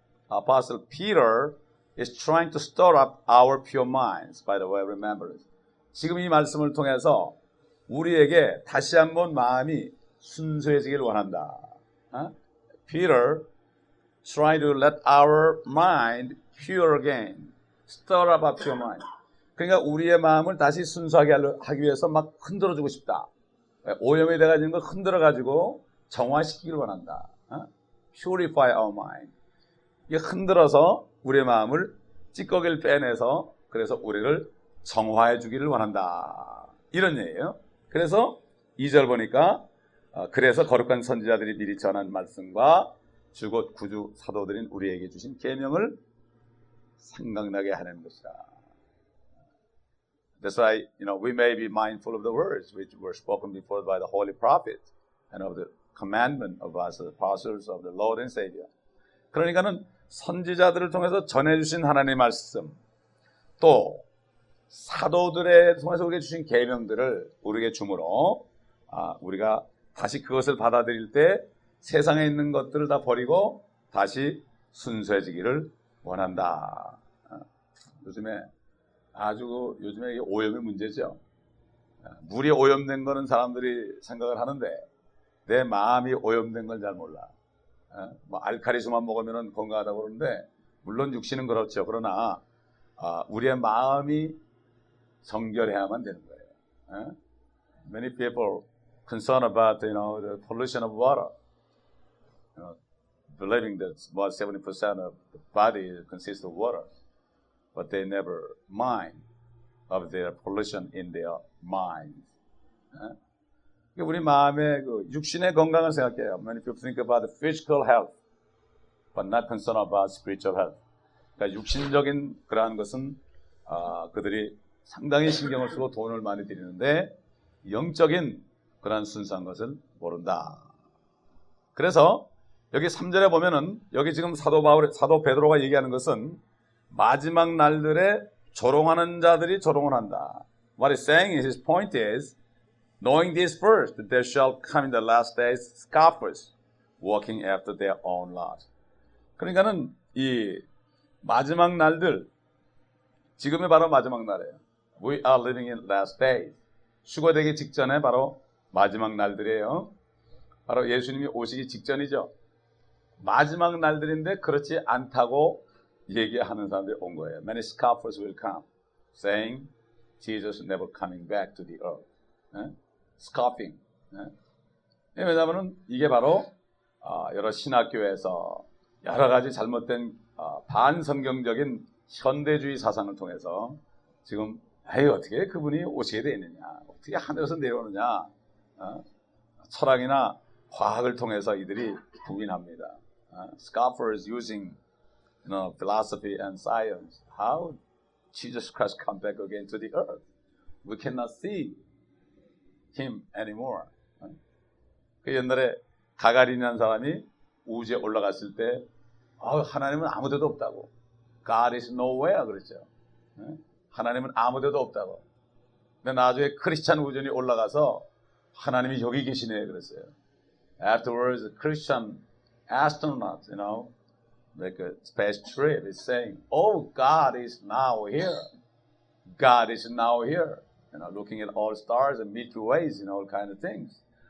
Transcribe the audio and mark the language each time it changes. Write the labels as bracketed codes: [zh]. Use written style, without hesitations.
[en] Apostle Peter is trying to stir up our pure minds by the way of remembrance. [ko] 지금 이 말씀을 통해서 우리에게 다시 한번 마음이 순수해지길 원한다. [en] Peter trying to let our mind pure again. Stir up our pure mind. [ko] 그러니까 우리의 마음을 다시 순수하게 하기 위해서 막 흔들어주고 싶다. 오염이 돼가지는 걸 흔들어가지고 정화시키길 원한다. [en] Purify our mind. [ko] 이게 흔들어서 우리의 마음을 찌꺼기를 빼내서 그래서 우리를 정화해 주기를 원한다. 이런 얘기예요. 그래서 2절 보니까 그래서 거룩한 선지자들이 미리 전한 말씀과 주곧 구주 사도들인 우리에게 주신 계명을 생각나게 하는 것이다. [en] That's why, you know, we may be mindful of the words which were spoken before by the holy prophet and of the commandment of us, the apostles of the Lord and Savior. [ko] 그러니까는 선지자들을 통해서 전해주신 하나님의 말씀, 또 사도들에 통해서 우리에게 주신 계명들을 우리에게 주므로 우리가 다시 그것을 받아들일 때 세상에 있는 것들을 다 버리고 다시 순수해지기를 원한다. 요즘에 아주 요즘에 오염의 문제죠. 물이 오염된 거는 사람들이 생각을 하는데 내 마음이 오염된 건 잘 몰라. 뭐 알칼리수만 먹으면 건강하다고 그러는데 물론 육신은 그렇죠. 그러나 우리의 마음이 정결해야만 되는 거예요. [en] Many people concerned about you know the pollution of water. You know, believing that about 70% of the body consists of water, but they never mind of their pollution in their mind. [ko] 우리 마음의 그 육신의 건강을 생각해요. [en] Many people think about the physical health, but not concerned about spiritual health. [ko] 그러니까 육신적인 그러한 것은 그들이 상당히 신경을 쓰고 돈을 많이 드리는데 영적인 그러한 순수한 것을 모른다. 그래서 여기 3절에 보면은 여기 지금 사도 바울, 사도 베드로가 얘기하는 것은 마지막 날들에 조롱하는 자들이 조롱을 한다. [en] What he's saying is his point is knowing this first that there shall come in the last days scoffers walking after their own lust. [ko] 그러니까는 이 마지막 날들 지금이 바로 마지막 날이에요. [en] We are living in last days. [ko] 수거되기 직전에 바로 마지막 날들이에요. 바로 예수님이 오시기 직전이죠. 마지막 날들인데 그렇지 않다고 얘기하는 사람들이 온 거예요. [en] Many scoffers will come, saying Jesus is never coming back to the earth. Scoffing. [ko] 왜냐하면 이게 바로 여러 신학교에서 여러 가지 잘못된 반성경적인 현대주의 사상을 통해서 지금 에이 어떻게 그분이 오시게 되느냐 어떻게 하늘에서 내려오느냐 철학이나 과학을 통해서 이들이 부인합니다. [en] Scoffers using you know, philosophy and science. How Jesus Christ come back again to the earth? We cannot see him anymore. [ko] 그 옛날에 가가린이라는 사람이 우주에 올라갔을 때 하나님은 아무데도 없다고 [en] God is nowhere [ko] 그랬죠. 하나님은 아무데도 없다고. 근데 나중에 크리스찬 우주에 올라가서 하나님이 여기 계시네 그랬어요. [en] Afterwards, a Christian astronaut, you know, like a space trip, is saying, "Oh, God is now here. God is now here. You know, looking at all stars and Milky Ways and all kind of things.